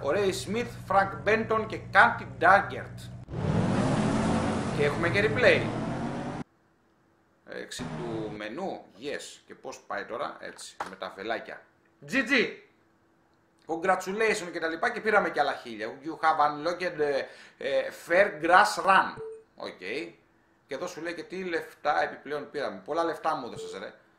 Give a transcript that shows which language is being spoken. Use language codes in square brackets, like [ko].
[el] Ο Ρέι Σμιθ, Φρανκ Μπέντον και Κάντι Ντάγκερτ. Και έχουμε και replay. Έξι του μενού, yes. Και πώς πάει τώρα, έτσι, με τα φελάκια. GG! Congratulations και τα λοιπά και πήραμε και άλλα χίλια. [en] You have unlocked fair grass run. Okay. [el] Και εδώ σου λέει και τι λεφτά επιπλέον πήραμε. Πολλά λεφτά μου έδωσες, ρε.